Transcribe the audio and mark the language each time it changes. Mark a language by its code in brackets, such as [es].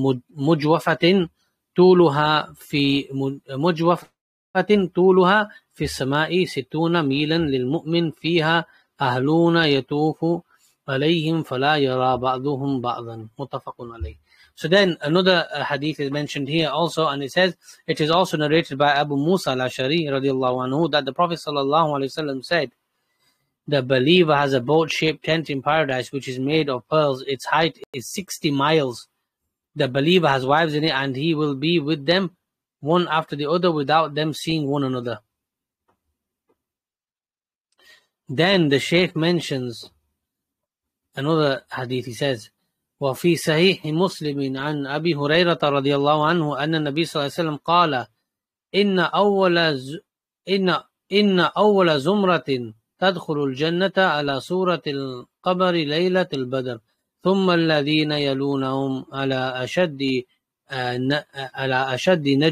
[ar] مجوفة طولها في السماء 60 ميلا للمؤمن فيها أهلون يطوف عليهم فلا يرى بعضهم بعضا متفق عليه. [en] So then another hadith is mentioned here also, and it says, it is also narrated by Abu Musa al-Ash'ari radiallahu anhu that the Prophet sallallahu alayhi wa sallam said, the believer has a boat-shaped tent in paradise, which is made of pearls. Its height is 60 miles. The believer has wives in it, and he will be with them one after the other without them seeing one another. Then the Shaykh mentions another hadith. He says, [ar] وَفِي صَحِيحِ مُسْلِمٍ عَنْ أَبِي هُرَيْرَةَ رَضِيَ اللَّهُ عَنْهُ أَنَّ النَّبِي صَلَى اللَّهُ عَلَيْهِ وَسَلَّمَ قَالَ إِنَّ أَوَّلَ زُمْرَةٍ تدخل الجنة على سورة القبر ليلة البدر ثم الذين يلونهم على أشد